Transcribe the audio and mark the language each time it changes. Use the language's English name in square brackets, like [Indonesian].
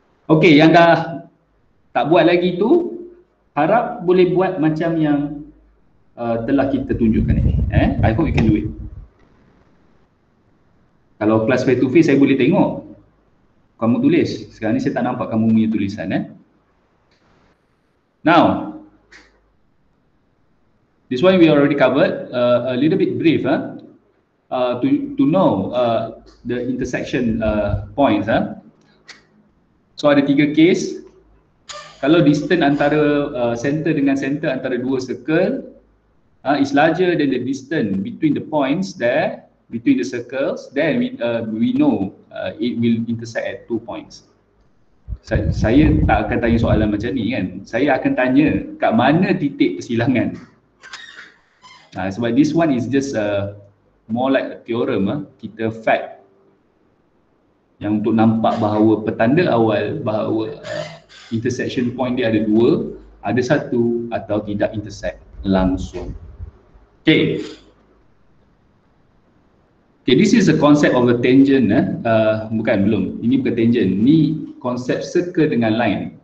[Malay] Okay, yang dah tak buat lagi tu, harap boleh buat macam yang telah kita tunjukkan ni. [English] I hope you can do it. [Malay] Kalau kelas face to face, saya boleh tengok kamu tulis. Sekarang ni saya tak nampak kamu punya tulisan. [English] Now, this one we already covered, a little bit brief, to know the intersection points. So [Malay] ada tiga case. Kalau distance antara center dengan center antara dua circle [English] is larger than the distance between the points there, between the circles, then we know it will intersect at two points. [Malay] Saya tak akan tanya soalan macam ni kan. Saya akan tanya kat mana titik persilangan. Sebab [English] this one is just more like a theorem, [Malay] kita fact yang untuk nampak bahawa petanda awal bahawa intersection point dia ada dua, ada satu atau tidak intersect langsung. Okay. [English] Okay, this is a concept of a tangent. [Malay] Ini bukan tangent. Ni konsep circle dengan line.